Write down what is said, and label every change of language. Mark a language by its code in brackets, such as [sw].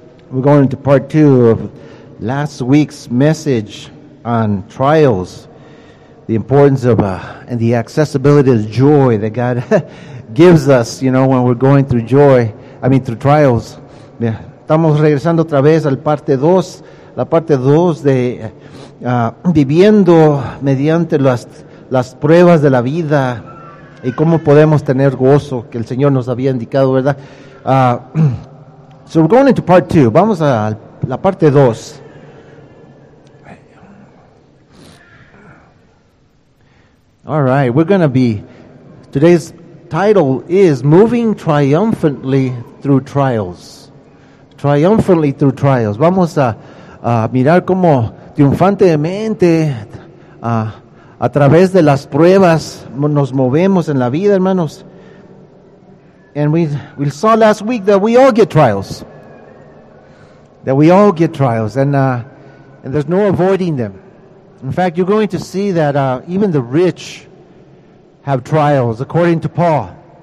[en] We're going into part two of last week's message on trials, the importance of and the accessibility of joy that God gives us, you know, when we're going through joy, I mean through trials. [es] Estamos regresando otra vez al parte dos, la parte dos de viviendo mediante las pruebas de la vida y cómo podemos tener gozo que el Señor nos había indicado, ¿verdad? [en] So we're going into part two. [es] Vamos a la parte dos. [en] All right, we're going to be, today's title is Moving Triumphantly Through Trials. Triumphantly Through Trials. [es] Vamos a mirar cómo triunfantemente a través de las pruebas nos movemos en la vida, hermanos. [en] And we saw last week that we all get trials. That we all get trials. And there's no avoiding them. In fact, you're going to see that even the rich have trials, according to Paul.